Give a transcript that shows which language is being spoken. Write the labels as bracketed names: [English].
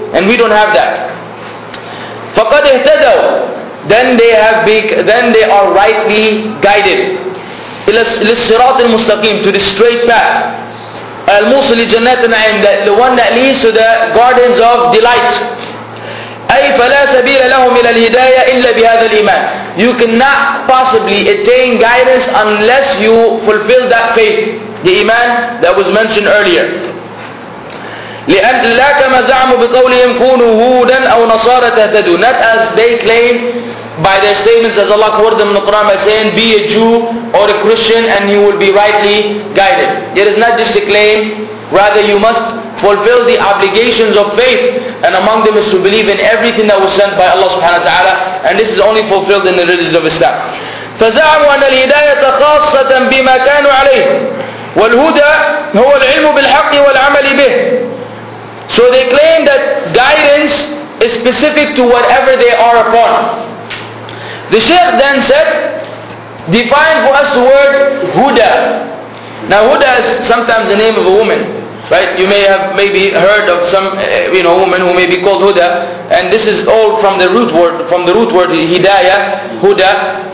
[English] And we don't have that. [Arabic] فَقَدْ اِهْتَدَوْا. [English] Then they are rightly guided. [Arabic] للصراط المستقيم, [English] to the straight path. [Arabic] الموصل لجنة النعيم, [English] the one that leads to the gardens of delight. [Arabic] أي فلا سبيل لهم إلى الهداية إلا بهذا الإيمان. [English] You cannot possibly attain guidance unless you fulfill that faith, the iman that was mentioned earlier. [Arabic] لأن لا كما زعموا بقولهم كونوا هودا أو نصارى تهتدوا. [English] Not as they claim by their statements, as Allah quoted them in the Quran by saying, be a Jew or a Christian and you will be rightly guided. It is not just a claim, rather you must fulfill the obligations of faith, and among them is to believe in everything that was sent by Allah subhanahu wa ta'ala, and this is only fulfilled in the religions of Islam. [Arabic] فزعموا أن الهداية خاصة بما كانوا عليه والهدى هو العلم بالحق والعمل به. [English] So they claim that guidance is is specific to whatever they are upon. The Shaykh then said, define for us the word Huda. Now Huda is sometimes the name of a woman, right? You may have maybe heard of some, you know, woman who may be called Huda, and this is all from the root word, Hidayah, Huda.